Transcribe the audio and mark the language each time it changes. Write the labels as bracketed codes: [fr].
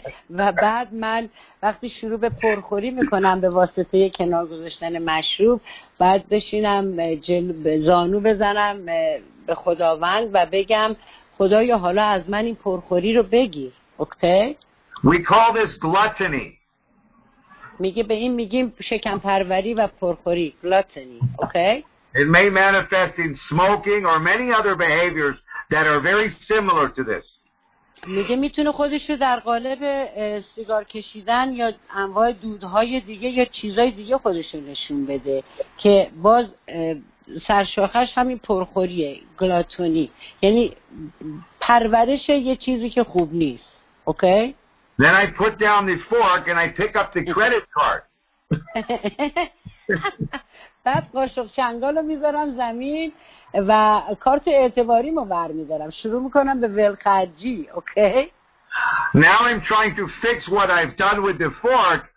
[fa] و بعد من وقتی شروع به پرخوری میکنم به واسطه کنار گذاشتن مشروب، بعد بشینم زانو بزنم به خداوند و بگم خدایا حالا از من این پرخوری رو بگیر. [en] We call this gluttony. [fa] میگه به این میگیم شکم پروری و پرخوری، gluttony. [en] It may manifest in smoking or many other behaviors that are very similar to this. [fa] میگه میتونه خودش رو در قالب سیگار کشیدن یا انواع دودهای دیگه یا چیزای دیگه خودش رو نشون بده که باز سرشاخش همین پرخوریه، گلاتونی، یعنی پرورش یه چیزی که خوب نیست. [en] Okay? Then I put down the fork and I pick up the credit card. [fa] بعد قاشق چنگال رو میذارم زمین و کارت اعتباریمو برمیدارم، شروع میکنم به ولخرجی. [en] Okay? Now I'm trying to fix what I've done with the fork.